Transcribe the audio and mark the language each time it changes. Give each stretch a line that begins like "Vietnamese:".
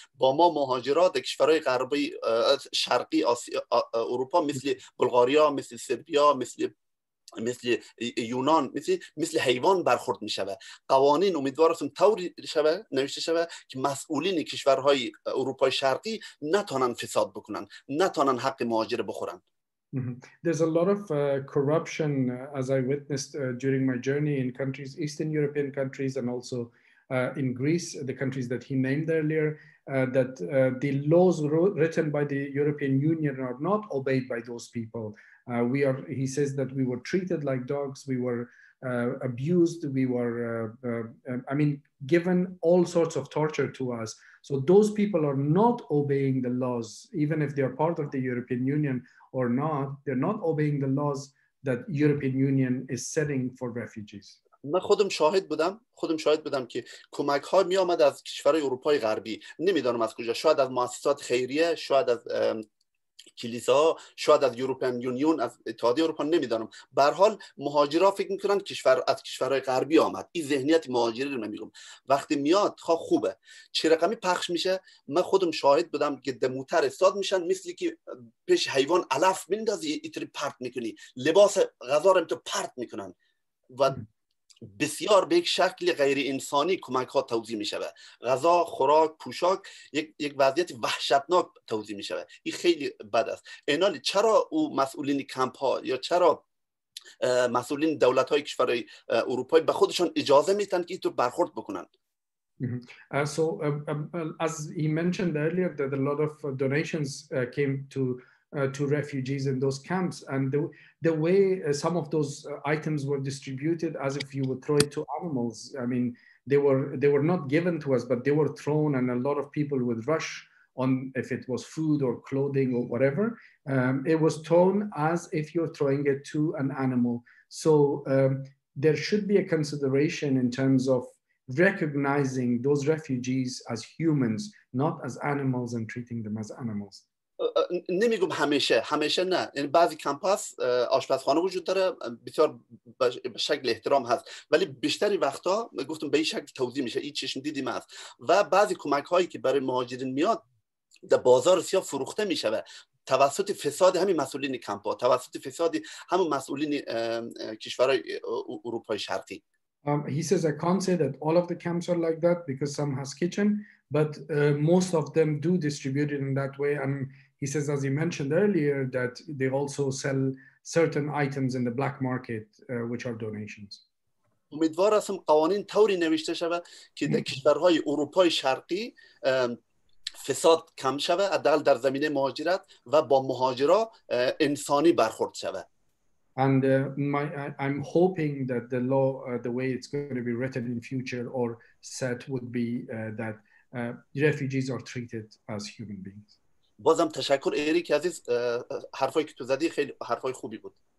Persian: با ما مهاجرات در کشورهای غربی شرقی اروپا مثل بلغاریا، مثل سربیا، مثل یونان، مثل حیوان برخورد میشوه. قوانین امیدوارم طوری شوه، نوشته شوه که مسئولین کشورهای اروپای شرقی نتونن فساد بکنن، نتونن حق مهاجر بخورن.
English: There's a lot of corruption, as I witnessed during my journey in countries, Eastern European countries, and also in Greece, the countries that he named earlier, that the laws written by the European Union are not obeyed by those people. He says that we were treated like dogs, we were abused, we were, given all sorts of torture to us. So those people are not obeying the laws, even if they are part of the European Union, or not, they're not obeying the laws that European Union is setting for refugees.
Persian: من خودم شاهد بودم، که کمک ها می آمد از کشورهای اروپای غربی، نمیدانم از کجا، شاید از مؤسسات خیریه، شاید از کلیسا، شاید از یورپین یونیون، از اتحادیه اروپا، نمیدانم. به هر حال مهاجرا فکر میکنن کشور از کشورهای غربی آمد. این ذهنیت مهاجری رو میگم، وقتی میاد خوبه، چه رقمی پخش میشه. من خودم شاهد بودم که دموتر استاد میشن، مثل که پیش حیوان علف میندازی اینطوری پرت میکنی، لباس غذا رو تو پرت میکنن و بسیار به یک شکل غیر انسانی کمک ها توزیع میشه. غذا، خوراک، پوشاک، یک وضعیت وحشتناک توزیع میشه. این خیلی بد است. اینال چرا او مسئولین کمپ ها یا چرا مسئولین دولت های کشورهای اروپایی به خودشان اجازه میتن که اینطور برخورد بکنن؟
English: As he mentioned earlier that a lot of donations came to refugees in those camps, and the way some of those items were distributed, as if you would throw it to animals. I mean, they were not given to us, but they were thrown, and a lot of people would rush on if it was food or clothing or whatever. It was thrown as if you're throwing it to an animal. So there should be a consideration in terms of recognizing those refugees as humans, not as animals, and treating them as animals.
Persian: نمیگم همیشه نه، یعنی بعضی کمپ هست آشپزخانه وجود داره، بسیار به شکل احترام هست، ولی بیشتری وقتا گفتم به این شکل توضیح میشه، این چشم دیدیم هست. و بعضی کمک هایی که برای مهاجرین میاد در بازار سیاه فروخته میشه توسط فساد همین مسئولین کمپ ها، توسط فساد همون مسئولین کشورهای اروپای شرقی.
English: He says, I can't say that all of the camps are like that because some has kitchen, but most of them do distribute it in that way. And he says, as he mentioned earlier, that they also sell certain items in the black market, which are donations.
Persian: امیدوار هستم قوانین طوری نوشته شود که در کشورهای اروپای شرقی فساد کم شود، حداقل در زمینه مهاجرت و با مهاجرا انسانی برخورد شود.
English: And I'm hoping that the law, the way it's going to be written in future or set, would be that refugees are treated as human beings.
Persian: بازم تشکر اریک عزیز، حرفایی که تو زدی خیلی حرفای خوبی بود.